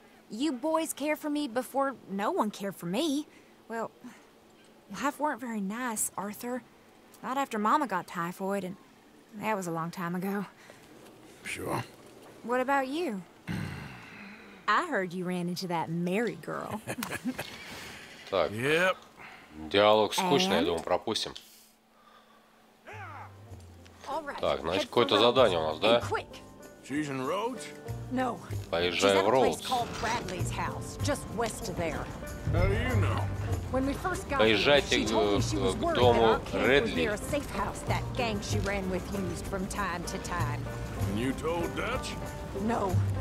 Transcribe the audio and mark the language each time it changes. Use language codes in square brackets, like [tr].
[en] You boys care for me before no one cared for me. Well, life weren't very nice, Arthur. Not after Mama got typhoid, and that was a long time ago. Sure. What about you? I heard you ran into that Mary girl. [ru] Так. [en] Yep. [ru] Диалог скучный, я думаю, пропустим. [en] All right. [ru] Так, значит, какое-то задание у нас, да? [en] She's in Rhodes? No. [ru] Поезжай в Роудс. [en] She's at a place called Bradley's house, just west of there. How do you know? When we first got here, she told me she was worried about a safe house that gang she ran with used from time to time. And you told Dutch? No.